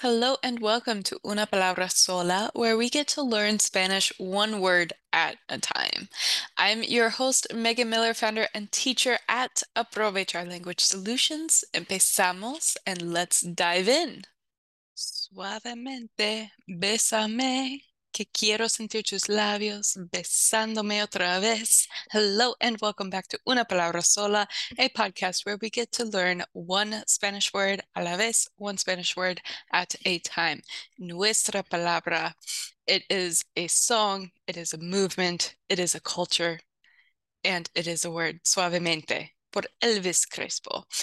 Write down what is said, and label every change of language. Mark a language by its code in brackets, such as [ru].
[en] Hello and welcome to Una Palabra Sola, where we get to learn Spanish one word at a time. I'm your host, Megan Miller, founder and teacher at Aprovechar Language Solutions. Empezamos and let's dive in. [es] Suavemente, bésame, que quiero sentir tus labios besándome otra vez. [en] Hello and welcome back to Una Palabra Sola, a podcast where we get to learn one Spanish word [es] a la vez, [en] one Spanish word at a time. [es] Nuestra palabra, [en] it is a song, it is a movement, it is a culture, and it is a word, suavemente, por Elvis Crespo.